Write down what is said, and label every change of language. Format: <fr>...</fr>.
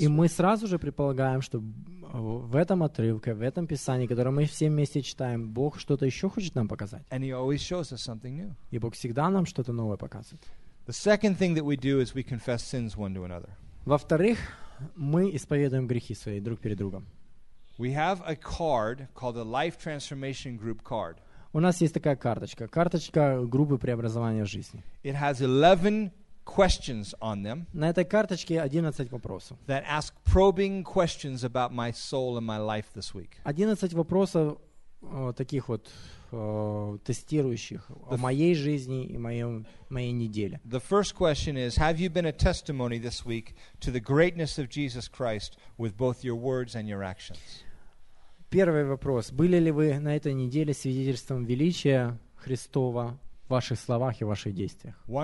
<en>week.</en> <ru>И мы сразу же предполагаем, что в этом отрывке, в этом писании, которое мы все вместе читаем, Бог что-то еще хочет нам показать.</ru> <en>And he always shows us something new.</en> <ru>И Бог всегда нам что-то новое показывает.</ru> <en>The second thing that we do is we confess sins one to another.</en> <ru>Во-вторых, мы исповедуем грехи свои друг перед другом.</ru> <en>We have a card called the Life Transformation Group card.</en> <ru>У нас есть такая карточка, карточка группы преобразования жизни.</ru> <en>It has 11 questions on them.</en> <ru>На этой карточке 11 вопросов.</ru> <en>That ask probing questions about my soul and my life this week.</en> <ru>11 вопросов таких вот тестирующих о моей жизни и моей неделе.</ru> <en>The first question is, have you been a testimony this week to the greatness of Jesus Christ with both your words and your actions?</en> <ru>Первый вопрос. Были ли вы на этой неделе свидетельством величия Христова в ваших словах и ваших действиях?</ru>